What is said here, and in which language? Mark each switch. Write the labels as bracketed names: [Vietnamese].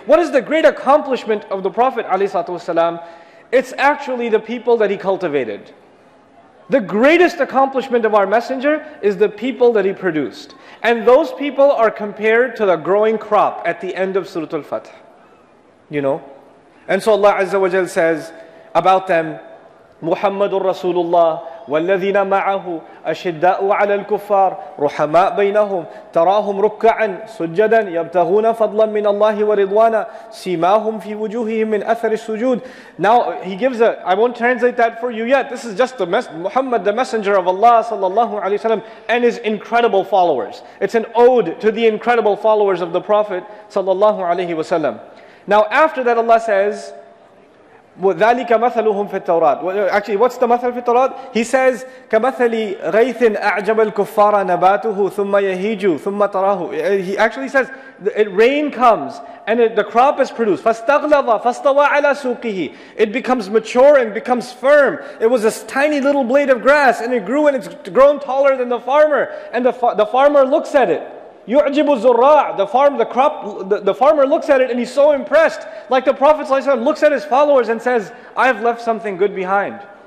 [English] What is the great accomplishment of the Prophet ﷺ? It's actually the people that he cultivated. The greatest accomplishment of our messenger is the people that he produced. And those people are compared to the growing crop at the end of Surah Al-Fath. You know? And so Allah Azza wa Jal says about them, Muhammadur Rasulullah, [Arabic] والذين معه أشداء على الكفار رحماء بينهم تراهم ركعا سجدا يبتغون فضلا من الله ورضوانا سيماهم في وجوههم من أثر السجود. [English] Now he gives I won't translate that for you yet. This is just the Muhammad, the messenger of Allah sallallahu alaihi wasallam, and his incredible followers. It's an ode to the incredible followers of the Prophet sallallahu alaihi wasallam. Now after that, Allah says, [Arabic] وذلك مثلهم في التوراة. [English] Actually, what's the [Arabic] مثل في التوراة? [English] He says, [Arabic] كمثل غيث أعجب الكفار نباته ثم يهيج ثم تراه. [English] He actually says, it rain comes and the crop is produced. [Arabic] فاستغلظ فاستوى على سوقه. [English] It becomes mature and becomes firm. It was this tiny little blade of grass and it grew and it's grown taller than the farmer. And the farmer looks at it. [Arabic] يعجب الزراع. [English] The farmer looks at it and he's so impressed. Like the Prophet ﷺ looks at his followers and says, I've left something good behind.